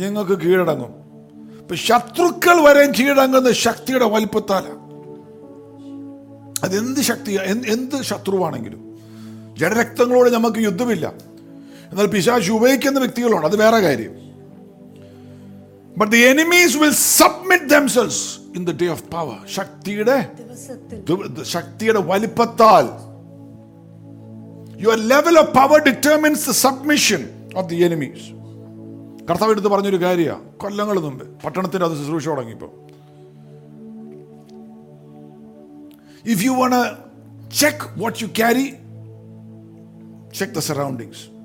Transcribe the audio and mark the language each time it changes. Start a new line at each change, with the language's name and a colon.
Malayalam: നിങ്ങൾക്ക് കീഴടങ്ങും. ഇപ്പൊ ശത്രുക്കൾ വരെ കീഴടങ്ങുന്ന ശക്തിയുടെ വലിപ്പത്താൽ. അതെന്ത് ശക്തിയാ, എന്ത് ശത്രുവാണെങ്കിലും. ജഡരക്തങ്ങളോട് നമുക്ക് യുദ്ധമില്ല. എന്നാൽ പിശാച് ഉപയോഗിക്കുന്ന വ്യക്തികളുണ്ട്, അത് വേറെ കാര്യം.
English: But the enemies will submit themselves in the day of power.
Malayalam: ശക്തിയുടെ ദിവസത്തിൽ, ശക്തിയുടെ വലിപ്പത്താൽ.
English: Your level of power determines the submission of the enemies.
Malayalam: കർത്താവ് എടുത്ത് പറഞ്ഞൊരു കാര്യമാ, കൊല്ലങ്ങൾ മുമ്പ് പട്ടണത്തിന്റെ അത് ശുശ്രൂഷ തുടങ്ങിയപ്പോ,
English: If you want to check what you carry, check the surroundings.